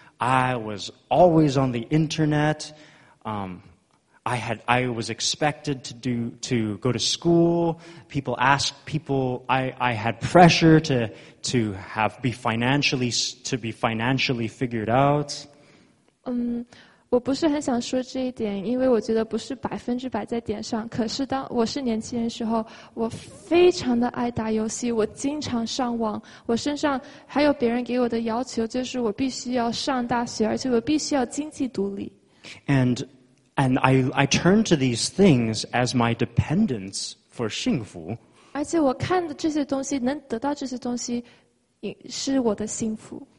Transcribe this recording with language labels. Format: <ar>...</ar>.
<en>I was always on the internet. I was expected to go to school. People asked people, I had pressure to be financially figured out.</en> <zh>我不是很想说这一点，因为我觉得不是百分之百在点上。可是当我是年轻人时候，我非常的爱打游戏，我经常上网。我身上还有别人给我的要求，就是我必须要上大学，而且我必须要经济独立。</zh> <en>And I turn to these things as my dependence for 幸福。</en> <zh>而且我看的这些东西，能得到这些东西，是我的幸福。</zh>